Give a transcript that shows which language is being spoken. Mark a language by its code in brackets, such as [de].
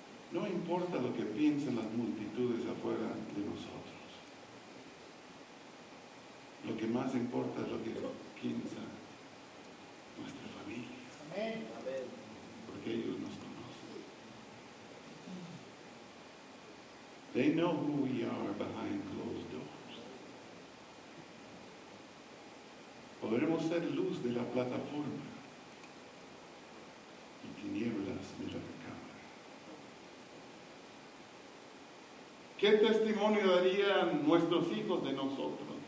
[es] No importa lo que piensen las multitudes afuera de nosotros. Lo que más importa es lo que piensa nuestra familia. Porque ellos nos conocen. [en] They know who we are behind closed doors. [es] Podremos ser luz de la plataforma y tinieblas de la recámara. ¿Qué testimonio darían nuestros hijos de nosotros?